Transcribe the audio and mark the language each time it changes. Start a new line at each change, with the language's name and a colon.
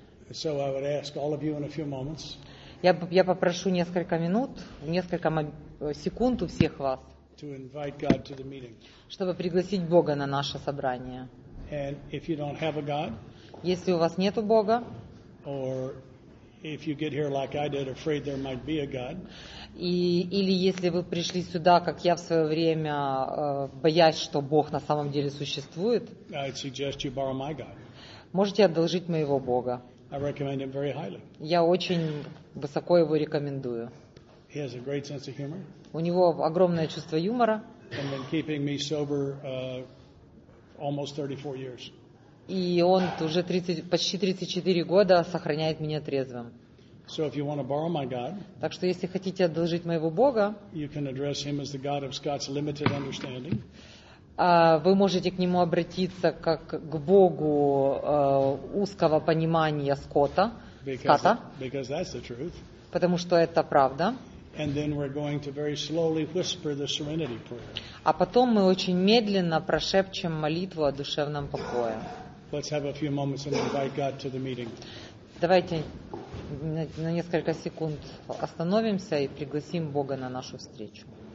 English: So I would ask all of you in a few moments,
Russian: я попрошу несколько минут, несколько секунд у всех вас,
English: to invite God to the meeting,
Russian: чтобы пригласить Бога на наше собрание.
English: And if you don't have a God,
Russian: если у вас нету Бога,
English: or if you get here like I did, afraid there might be a God.
Russian: Или если вы пришли сюда, как я в свое время, боясь, что Бог на самом деле существует.
English: I'd suggest you borrow my God.
Russian: Можете одолжить моего Бога.
English: I recommend him very highly.
Russian: Я очень высоко его рекомендую.
English: He has a great sense of humor.
Russian: У него огромное чувство юмора.
English: And been keeping me sober almost 34 years.
Russian: И он уже почти 34 года сохраняет меня трезвым.
English: So if you want to borrow my God,
Russian: так что если хотите одолжить моего Бога,
English: you can address him as the God of Scott's limited understanding.
Russian: Вы можете к нему обратиться как к Богу узкого понимания Скотта.
English: Because that's the truth.
Russian: Потому что это правда.
English: And then we're going to very slowly whisper the Serenity Prayer.
Russian: А потом мы очень медленно прошепчем молитву о душевном покое.
English: Let's have a few moments and invite God to the meeting.
Russian: Давайте на несколько секунд остановимся и пригласим Бога на нашу встречу.